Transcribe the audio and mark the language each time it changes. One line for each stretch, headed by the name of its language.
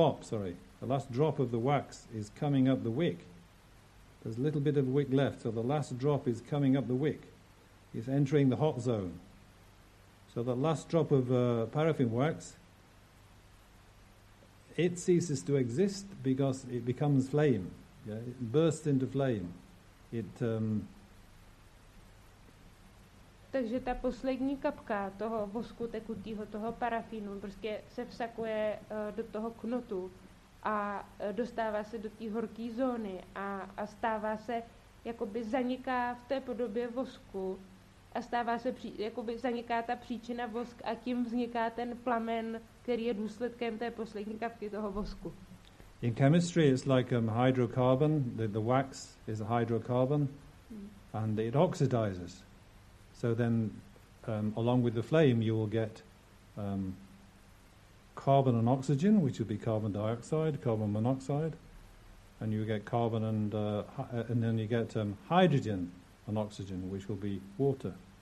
English: The last drop of the wax is coming up the wick. There's a little bit of wick left, so the last drop is coming up the wick. It's entering the hot zone. So the last drop of paraffin wax, it ceases to exist because it becomes flame. Yeah, it bursts into flame.
Czech: Takže ta poslední kapka toho vosku tekutýho, toho parafínu, prostě se vsakuje do toho knotu a dostává se do té horké zóny a stává se, jakoby zaniká v té podobě vosku a stává se, jakoby zaniká ta příčina vosk a tím vzniká ten plamen, který je důsledkem té poslední kapky toho vosku.
English: In chemistry, it's like hydrocarbon. The wax is a hydrocarbon, and it oxidizes. So then, along with the flame, you will get carbon and oxygen, which would be carbon dioxide, carbon monoxide, and you get carbon and then you get hydrogen and oxygen, which will be water.